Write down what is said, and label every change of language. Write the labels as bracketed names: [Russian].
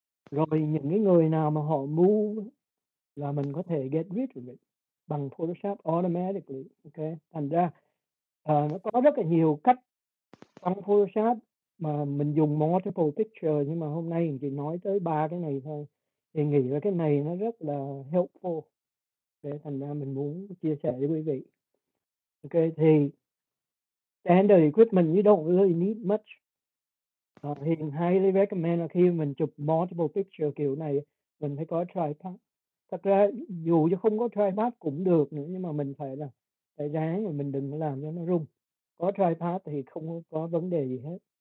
[Vietnamese] Rồi những cái người nào mà họ move là mình có thể [English] get rid of it [Vietnamese] bằng Photoshop [English] automatically, [Vietnamese] ok? Thành ra nó có rất là nhiều cách bằng Photoshop mà mình dùng [English] multiple picture, [Vietnamese] nhưng mà hôm nay mình chỉ nói tới ba cái này thôi. Thì nghĩ là cái này nó rất là helpful. Để thành ra mình muốn chia sẻ với quý vị. [English] Ok, [Vietnamese] thì [English] standard equipment you don't really need much. [Vietnamese] Hiền [English] highly recommend [Vietnamese] là khi mình chụp [English] multiple picture [Vietnamese] kiểu này, mình phải có tripod. Thật ra dù cho không có tripod cũng được nữa, nhưng mà mình phải ráng rồi mình đừng làm cho nó rung. Có tripod thì không có vấn đề gì hết.